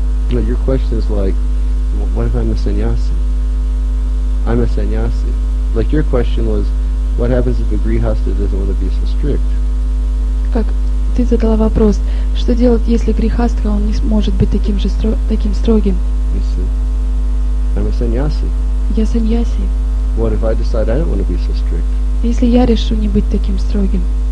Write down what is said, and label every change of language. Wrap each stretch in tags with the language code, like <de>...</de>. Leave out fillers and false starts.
<en>No, your question is like, what if I'm a sannyasi? I'm a sannyasi. Like your question was, what happens if a grihastha doesn't want to be so strict?</en> <ru>Как ты задала вопрос, что делать, если грихастха он не может быть таким же таким строгим?</ru> <en>You see, I'm a sannyasi.</en> <ru>Я саньяси.</ru> <en>What if I decide I don't want to be so strict?</en> <ru>Если я решу не быть таким строгим.</ru>